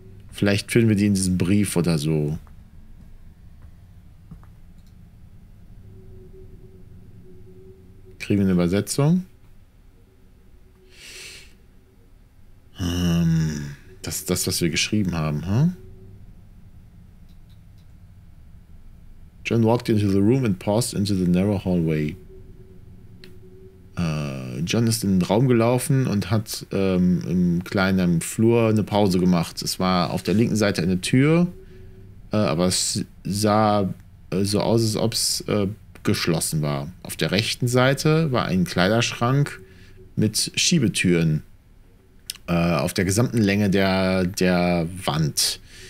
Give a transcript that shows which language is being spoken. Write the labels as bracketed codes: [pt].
[de] Vielleicht finden wir die in diesem Brief oder so. Kriegen wir eine Übersetzung? Das ist das, was wir geschrieben haben, huh? [en] John walked into the room and paused into the narrow hallway. [de] John ist in den Raum gelaufen und hat im kleinen Flur eine Pause gemacht. Es war auf der linken Seite eine Tür, aber es sah so aus, als ob es geschlossen war. Auf der rechten Seite war ein Kleiderschrank mit Schiebetüren auf der gesamten Länge der Wand.